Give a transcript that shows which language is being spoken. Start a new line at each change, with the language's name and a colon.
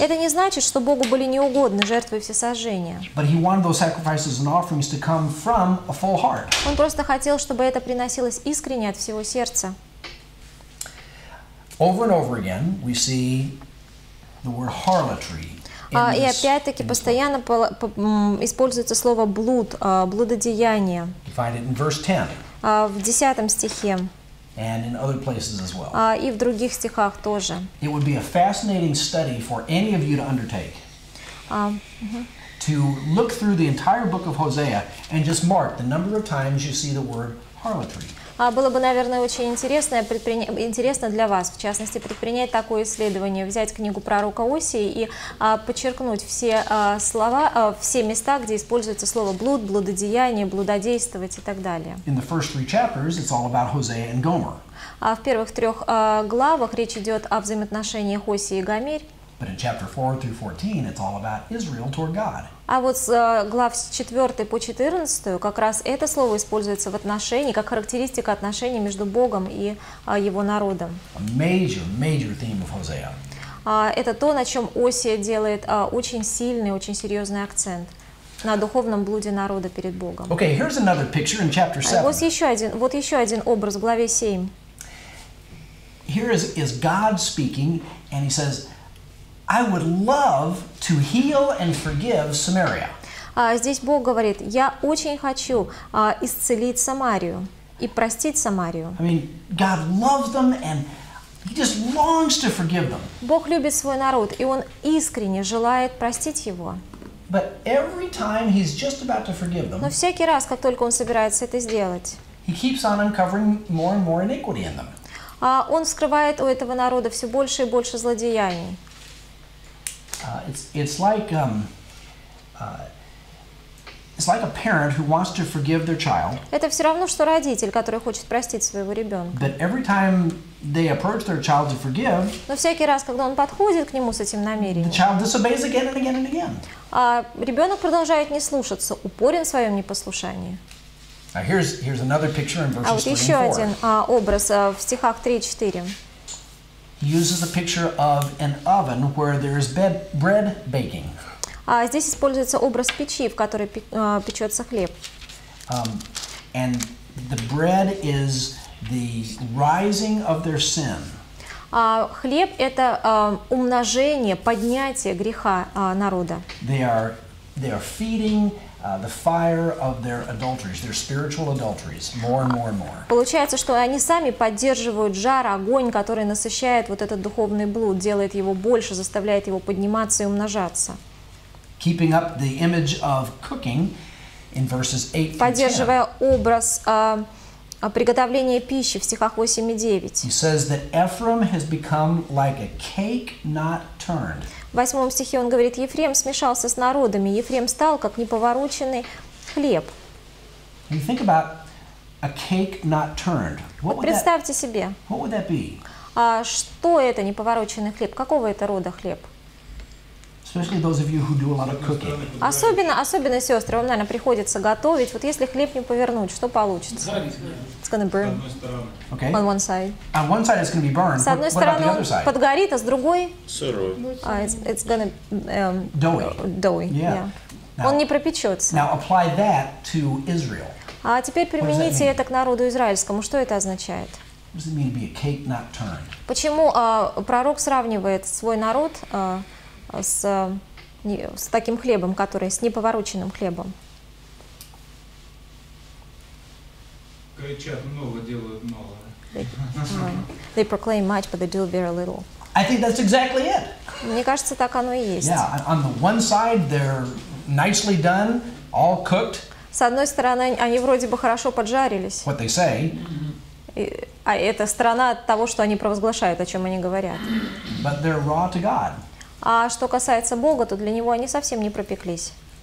Russian: Это не значит, что Богу были неугодны жертвы и всесожжения.
English: But he wanted those sacrifices and offerings to come from a full heart.
Russian: Он просто хотел, чтобы это приносилось искренне от всего сердца.
English: Over and over again, we see the word harlotry.
Russian: И опять-таки постоянно используется слово блуд, блудодеяние.
English: Find it in verse 10.
Russian: В десятом стихе.
English: And in other places as well.
Russian: И в других стихах тоже.
English: It would be a fascinating study for any of you to undertake. To look through the entire book of Hosea and just mark the number of times you see the word harlotry.
Russian: Было бы, наверное, очень интересно для вас, в частности, предпринять такое исследование, взять книгу пророка Осии и подчеркнуть все слова, все места, где используется слово блуд, блудодеяние, блудодействовать и так далее.
English: In the first three chapters, it's all about Hosea and Gomer.
Russian: В первых трех главах речь идет о взаимоотношениях Осии и Гомерь.
English: But in chapter 4 through 14, it's all about Israel toward God.
Russian: А вот с глав 4 по 14 как раз это слово используется в отношении, как характеристика отношений между Богом и его народом.
English: A major, major theme of Hosea.
Russian: Это то, на чем Осия делает очень сильный, очень серьезный акцент. На духовном блуде народа перед Богом.
English: Okay, here's another picture in chapter 7.
Russian: Вот еще один образ в главе 7.
English: Here is God speaking, and he says, I would love to heal and forgive Samaria.
Russian: Здесь Бог говорит, я очень хочу исцелить Самарию и простить Самарию.
English: I mean, God loves them and he just longs to forgive them.
Russian: Бог любит свой народ, и он искренне желает простить его.
English: But every time he's just about to forgive them,
Russian: но всякий раз, как только он собирается это сделать,
English: he keeps on uncovering more and more iniquity in them.
Russian: Он вскрывает у этого народа все больше и больше злодеяний.
English: It's like It's like a parent who wants to forgive their child.
Russian: Это все равно, что родитель, который хочет простить своего ребенка.
English: But every time they approach their child to forgive,
Russian: но всякий раз, когда он подходит к нему с этим намерением,
English: the child disobeys again and again and again.
Russian: А ребенок продолжает не слушаться, упорен в своем непослушании.
English: Now here's another picture in verses 3 and 4.
Russian: А вот еще один образ в стихах 3 и 4.
English: He uses a picture of an oven where there is bread baking.
Russian: А здесь используется образ печи, в которой печется хлеб.
English: And the bread is the rising of their sin.
Russian: Хлеб — это умножение, поднятие греха народа.
English: They are feeding the fire of their adulteries, their spiritual adulteries, more and more and more.
Russian: Получается, что они сами поддерживают жар, огонь, который насыщает вот этот духовный блуд, делает его больше, заставляет его подниматься и умножаться.
English: Keeping up the image of cooking in verses 8 and 10.
Russian: Поддерживая образ приготовления пищи в стихах 8 и 9.
English: He says that Ephraim has become like a cake not turned.
Russian: В 8 стихе он говорит, Ефрем смешался с народами, Ефрем стал как неповороченный хлеб.
English: You think about a cake not turned. What would
Russian: представьте
English: that,
Russian: себе.
English: What would that be?
Russian: Что это неповороченный хлеб? Какого это рода хлеб?
English: Especially those of you who do a lot of cooking.
Russian: Особенно сестры, вам, наверное, приходится готовить. Вот если хлеб не повернуть, что получится?
English: It's gonna burn. Okay. On one side. On one side it's gonna be burned.
Russian: С одной стороны он подгорит, а с другой? Сырой.
English: It's gonna doughy. Yeah.
Russian: Он не пропечется.
English: Now apply that to Israel.
Russian: А теперь примените это к народу израильскому. Что это означает?
English: What does it mean to be a cake not turned?
Russian: Почему пророк сравнивает свой народ с таким хлебом, который с неповороченным хлебом. Кричат много, делают мало.
English: They proclaim much, but they do very little. I think that's exactly it.
Russian: Мне кажется, так оно и есть.
English: Yeah, on the one side they're nicely done, all cooked.
Russian: С одной стороны, они вроде бы хорошо поджарились.
English: What they say.
Russian: А это сторона того, что они провозглашают, о чем они говорят.
English: But they're raw to God.
Russian: А что касается Бога, то для него они совсем не пропеклись.